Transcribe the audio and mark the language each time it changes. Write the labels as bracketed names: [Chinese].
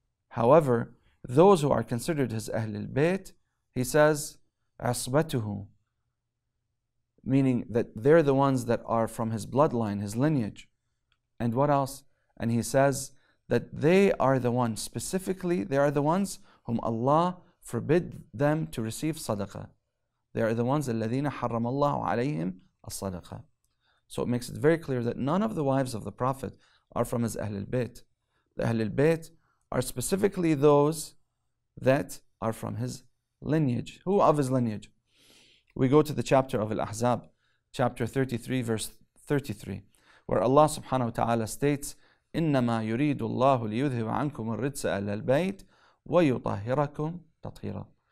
[English] However, those who are considered his Ahlul Bayt, he says, [Arabic] عَصْبَتُهُ, [English] meaning that they're the ones that are from his bloodline, his lineage. And what else? And he says that they are the ones, specifically, they are the ones whom Allah forbid them to receive sadaqah. They are the ones [Arabic] الَّذِينَ حَرَّمَ اللَّهُ عَلَيْهِمْ الصَّدَقَةَ. [English] So it makes it very clear that none of the wives of the Prophet are from his Ahlul Bayt. The Ahlul Bayt are specifically those that are from his lineage. Who of his lineage? We go to the chapter of Al-Ahzab, chapter 33, verse 33, where Allah subhanahu wa ta'ala states, [Arabic] إِنَّمَا يُرِيدُ اللَّهُ لِيُذْهِبَ عَنْكُمُ الرِّجْسَ أَهْلَ الْبَيْتِ وَيُطَهِّرَكُمْ تَطْهِيرًا.